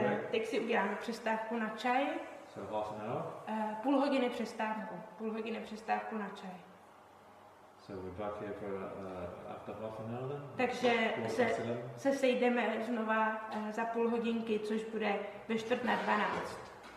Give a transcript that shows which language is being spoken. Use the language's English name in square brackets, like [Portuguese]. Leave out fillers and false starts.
[Czech] Teď si uděláme přestávku na čaj. [English] So half an hour. [Czech] Půl hodiny přestávku na čaj. [English] So we're back here for after half an hour then. [Czech] Takže se sejdeme znova za půl hodinky, což bude ve 11:15.